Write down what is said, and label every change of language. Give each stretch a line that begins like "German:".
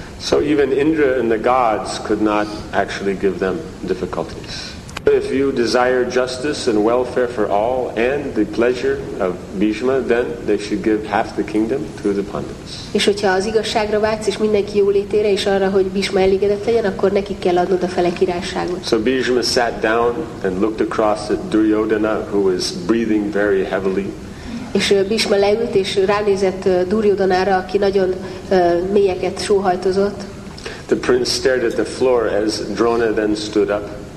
English: So even Indra and the gods could not actually give them difficulties. If you desire justice and welfare for all and the pleasure of Bhishma, then they should give half the kingdom to the Pandavas.
Hungarian: És hogyha az igazságra vágysz, és mindenki jólétére, és arra, hogy Bhishma elégedett legyen, akkor neki kell adnod a fele királyságot.
English: So Bhishma sat down and looked across at Duryodhana, who was breathing very heavily.
Hungarian: És Bhishma leült, és ránézett Duryodhanára, aki nagyon mélyeket sóhajtozott.
English: The prince stared at the floor as Drona then stood up.